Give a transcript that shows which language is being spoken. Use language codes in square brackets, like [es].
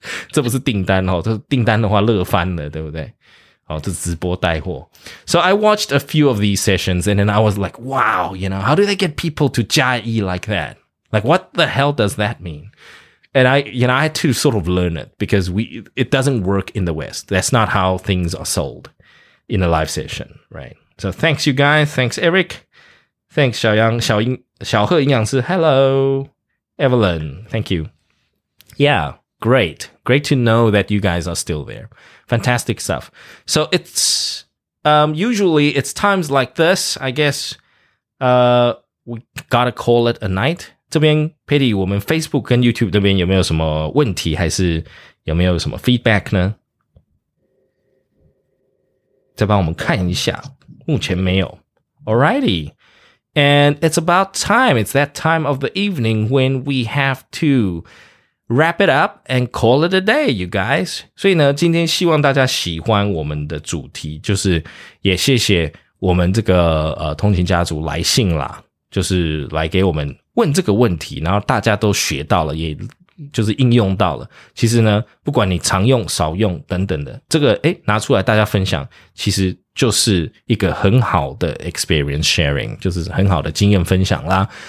[zh] 这不是订单哦，这订单的话乐翻了，对不对？哦，这直播带货。 [en] So I watched a few of these sessions and then I was like, wow, you know, how do they get people to 加一 like that? Like, what the hell does that mean? And I had to sort of learn it because it doesn't work in the West. That's not how things are sold in a live session, right? So thanks, you guys. Thanks, Eric. Thanks, 小杨、小英、小贺营养师。 Hello, Evelyn. Thank you. Yeah, great. Great to know that you guys are still there. Fantastic stuff. So it's, usually it's times like this. I guess, we gotta call it a night. [zh] 这边 Pity 我们 Facebook 跟 YouTube 这边有没有什么问题，还是有没有什么 feedback 呢？再帮我们看一下，目前没有。 [en] Alrighty, and it's about time. It's that time of the evening when we have to wrap it up and call it a day, you guys. [zh] 所以呢，今天希望大家喜欢我们的主题，就是也谢谢我们这个通勤家族来信啦，就是来给我们问这个问题，然后大家都学到了，也就是应用到了。其实呢，不管你常用少用等等的，这个诶拿出来大家分享，其实就是一个很好的 [en] experience sharing, [zh] 就是很好的经验分享啦。